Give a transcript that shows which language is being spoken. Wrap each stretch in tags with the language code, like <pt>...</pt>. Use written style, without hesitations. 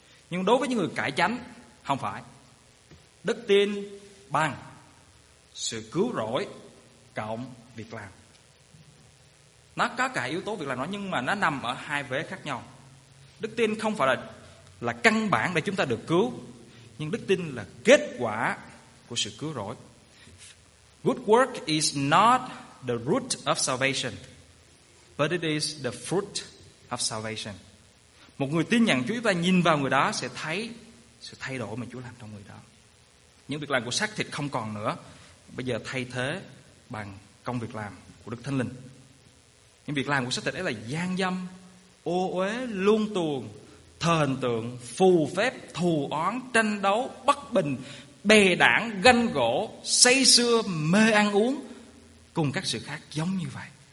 <vi>Nhưng đối với những người cải chánh không phải. Đức tin bằng sự cứu rỗi cộng việc làm. Nó có cả yếu tố việc làm nó, nhưng mà nó nằm ở hai vế khác nhau. Đức tin không phải là căn bản để chúng ta được cứu, nhưng đức tin là kết quả của sự cứu rỗi.</vi> <en>Good work is not the root of salvation, but it is the fruit of salvation.</en> <vi>Một người tin nhận Chúa, chúng ta nhìn vào người đó sẽ thấy sự thay đổi mà Chúa làm trong người đó. Những việc làm của xác thịt không còn nữa, bây giờ thay thế bằng công việc làm của Đức Thánh Linh. Những việc làm của xác thịt ấy là gian dâm, ô uế, luân tuồng, thờ hình tượng, phù phép, thù oán, tranh đấu, bất bình, bè đảng, ganh gỗ, say sưa, mê ăn uống, cùng các sự khác giống như vậy.</vi>